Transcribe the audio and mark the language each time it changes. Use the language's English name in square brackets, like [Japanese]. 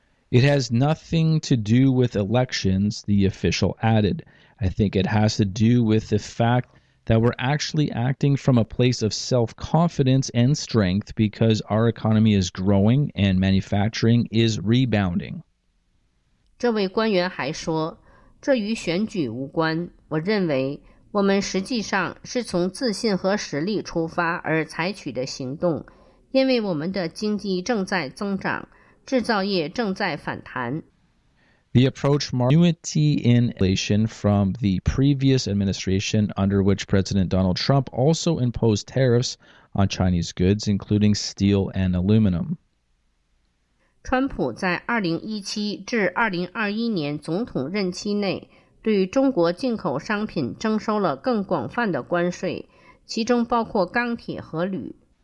[English] It has nothing to do with elections, the official added. I think it has to do with the fact that we're actually acting from a place of self-confidence and strength because our economy is growing and manufacturing is rebounding. [Chinese] 这位官员还说，这与选举无关，我认为我们实际上是从自信和实力出发而采取的行动，因为我们的经济正在增长，制造业正在反弹。 [English] The approach marked continuity in inflation from the previous administration, under which President Donald Trump also imposed tariffs on Chinese goods, including steel and aluminum. [Chinese] 川普在2017至2021年总统任期内对中国进口商品征收了更广泛的关税，其中包括钢铁和铝。